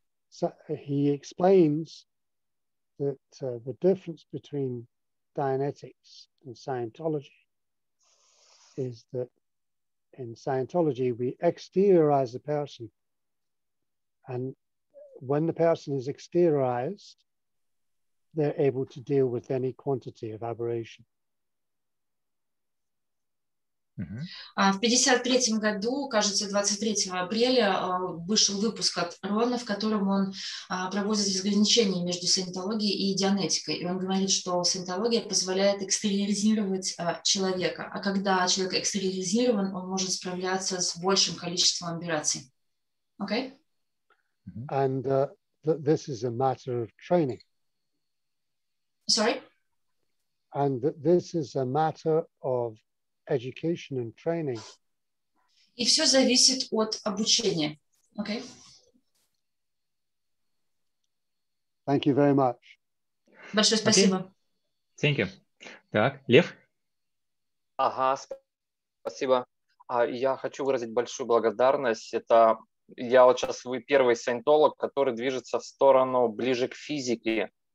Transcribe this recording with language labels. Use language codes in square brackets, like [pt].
[en] So he explains that the difference between Dianetics and Scientology is that in Scientology, we exteriorize the person. And when the person is exteriorized, they're able to deal with any quantity of aberration. [ru] В 1953 году, кажется, 23 апреля, вышел выпуск от Рона, в котором он проводит разграничение между саентологией и дианетикой. И он говорит, что саентология позволяет экстериоризировать человека. А когда человек экстериоризирован, он может справляться с большим количеством операций. [en] Okay? And this is a matter of training. Sorry? And this is a matter of education and training. [ru] И все зависит от обучения. [en] Okay. Thank you very much. [ru] Большое спасибо. [en] Okay. Thank you. Так, Лев? [ru] Ага, спасибо. Я хочу выразить большую благодарность. Это я вот сейчас вы первый саентолог, который движется в сторону ближе к физике.